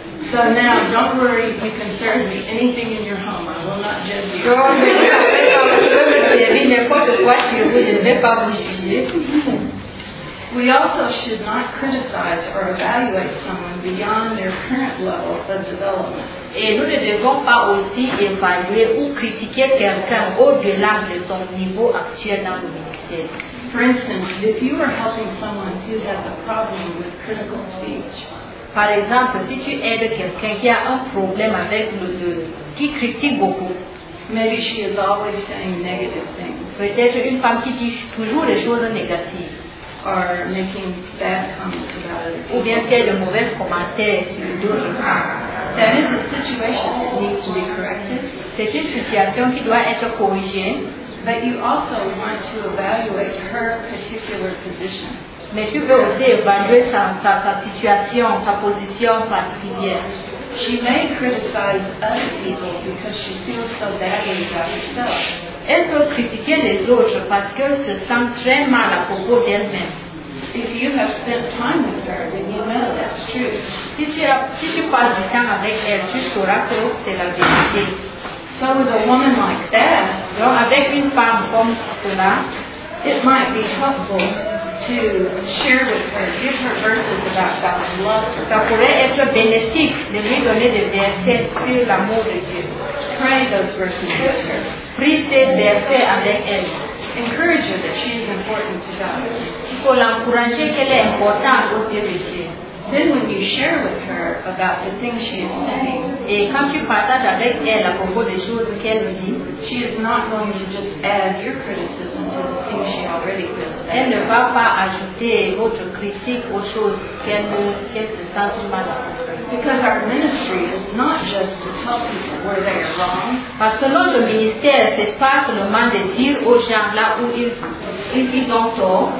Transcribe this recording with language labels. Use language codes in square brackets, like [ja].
[en] So now, don't worry, be concerned with anything in your home. I will not judge you. [fr] N'importe quoi chez vous, je ne vais pas vous juger. [en] We also should not criticize or evaluate someone beyond their current level of development. [fr] Et nous ne devons pas aussi évaluer ou critiquer quelqu'un au-delà de son niveau actuel dans le ministère. [en] For instance, if you are helping someone who has a problem with critical speech. [fr] Par exemple, si tu aides quelqu'un qui a un problème avec qui critique beaucoup. [en] Maybe she is always saying negative things. [fr] Peut-être une femme qui dit toujours les choses négatives. [en] Or making bad comments about it. [fr] Ou bien qu'il y ait de mauvais commentaires sur d'autres femmes. [en] That is a situation that needs to be corrected. [fr] C'est une situation qui doit être corrigée. [en] But you also want to evaluate her particular position. [fr] Mais tu veux aussi évaluer sa situation, sa position particulière. [en] She may criticize other people because she feels so badly about herself. [fr] Elle peut critiquer les autres parce qu'elle se sent très mal à propos d'elle-même. [en] If you have spent time with her, then you know that's true. [fr] Si tu passes du temps avec elle, tu sauras que c'est la vérité. [en] So with a woman like that, [fr] donc avec une femme comme cela, [en] it might be helpful to share with her, give her verses about God's love. [fr] Ça pourrait être bénéfique de lui donner des versets sur l'amour de Dieu. [en] Pray those verses with her. Encourage her that she is important to God. [fr] Il faut l'encourager qu'elle est importante aux yeux de Dieu. [en] Then when you share with her about the things she is saying, [fr] et quand tu partages avec elle à propos des choses qu'elle dit, [en] she is not going to just add your criticism to the things she already feels bad. [fr] Elle ne va pas ajouter votre critique aux choses qu'elle se sent mal à propos. [en] Because our ministry is not just to tell people where they are wrong. [fr] Parce que notre ministère, c'est pas seulement de dire aux gens là où ils ont tort,